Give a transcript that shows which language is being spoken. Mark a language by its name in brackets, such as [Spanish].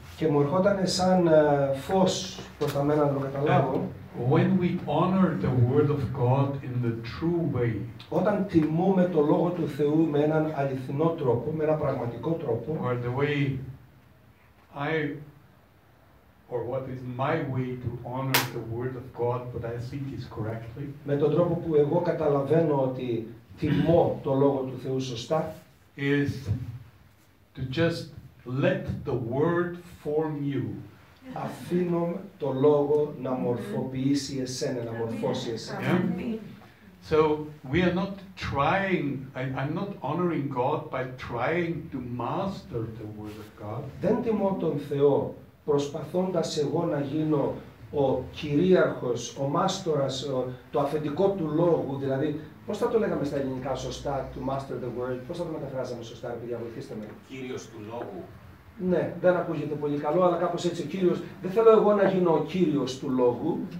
[Greek] Και μου ερχόταν σαν φως προς τα μένα να το καταλάβω. [English] When we honor the word of God in the true way. [Greek] Όταν τιμούμε το λόγο του Θεού με έναν αληθινό τρόπο, με έναν πραγματικό τρόπο. [English] Or the way I or what is my way to honor the word of God, but I think it's correctly. [Greek] Με τον τρόπο που εγώ καταλαβαίνω ότι τιμώ το λόγο του Θεού σωστά, [English] is to just let the word form you. [Greek] Αφήνω το λόγο να μορφοποιήσει εσένα, να μορφώσει εσένα. [English] Yeah? So we are not trying, I'm not honoring God by trying to master the word of God. [Greek] Δεν τιμώ τον Θεό προσπαθώντας εγώ να γίνω ο κυρίαρχος, ο μάστορας, το αφεντικό του λόγου, δηλαδή πώς θα το λέγαμε στα ελληνικά σωστά, [English] to master the word, [Greek] πώς θα το μεταφράζαμε σωστά, επειδή βοηθήστε με. Κύριος του λόγου. Ναι, δεν ακούγεται πολύ καλό, αλλά κάπως έτσι ο Κύριος, δεν θέλω εγώ να γίνω ο Κύριος του λόγου.